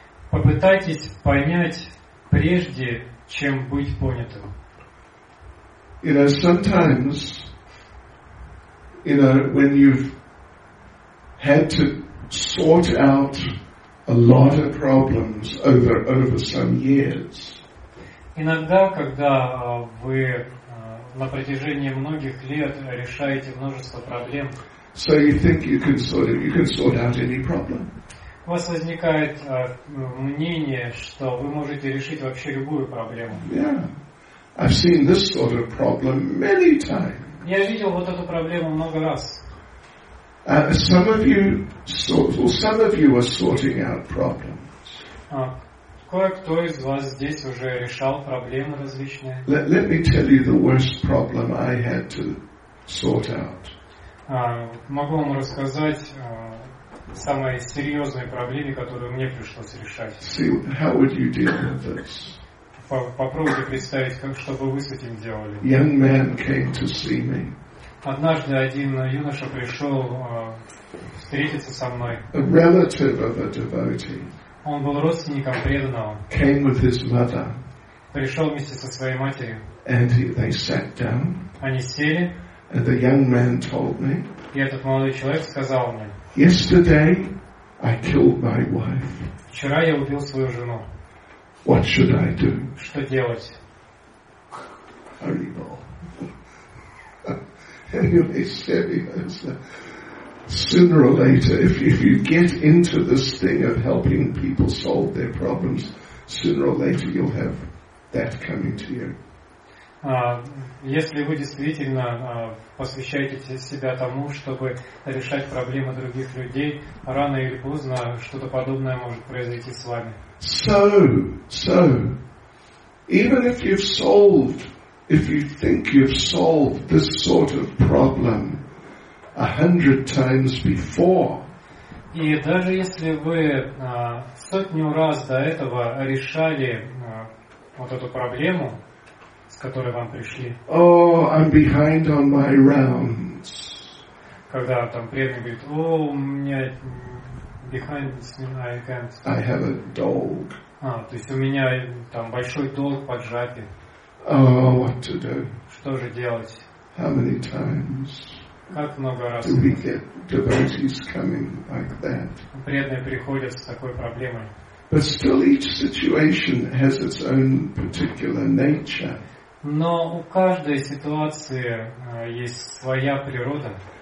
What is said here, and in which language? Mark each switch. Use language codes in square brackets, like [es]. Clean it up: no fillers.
[ru] Попытайтесь понять прежде, чем быть понятым. [en] You know, sometimes, you know, when you've had to sort out a lot of problems over some years. [ru] Иногда, когда вы на протяжении многих лет решаете множество проблем, [en] so you think you can sort out any problem. [ru] У вас возникает мнение, что вы можете решить вообще любую проблему. [en] Yeah. I've seen this sort of problem many times. [ru] Я видел вот эту проблему много раз. [en] Some of you are sorting out problems. [ru] Кое-кто из вас здесь уже решал проблемы различные. [en] Let me tell you the worst problem I had to sort out. [ru] Могу вам рассказать самой серьезной проблеме, которую мне пришлось решать. [en] See, how would you deal with this? [ru] Попробуйте представить, как, что бы вы с этим делали. [en] Young man came to see me. [ru] Однажды один юноша пришел встретиться со мной. [en] A relative of a devotee. [ru] Он был родственником преданного. [en] Came with his mother. [ru] Пришел вместе со своей матерью. [en] And they sat down. [ru] Они сели. [en] And the young man told me. [ru] И этот молодой человек сказал мне. [en] Yesterday I killed my wife. [ru] Вчера я убил свою жену. [en] What should I do? [ru] Что делать? [en] Horrible. Anyway, seriously, sooner or later, if you get into this thing of helping people solve their problems, sooner or later you'll have that coming to you. [ru] если вы действительно посвящаете себя тому, чтобы решать проблемы других людей, рано или поздно что-то подобное может произойти с вами. [en] So, even if you've solved, if you think you've solved this sort of problem 100 times before. [ru] И даже если вы сотню раз до этого решали вот эту проблему, с которой вам пришли. [en] Oh, I'm behind on my rounds. [ru] Когда там преданный говорит, о, у меня [en] behind, I can't. I have a dog. [ru] А, то есть у меня там большой долг поджатый. [en] Oh, what to do? [ru] Что же делать? [en] How many times? [ru] Как много раз? [en] Do we get devotees coming like that? [ru] Преданные приходят с такой проблемой. [en] But still, each situation has its own particular nature. [ru] Но у каждой ситуации есть своя природа.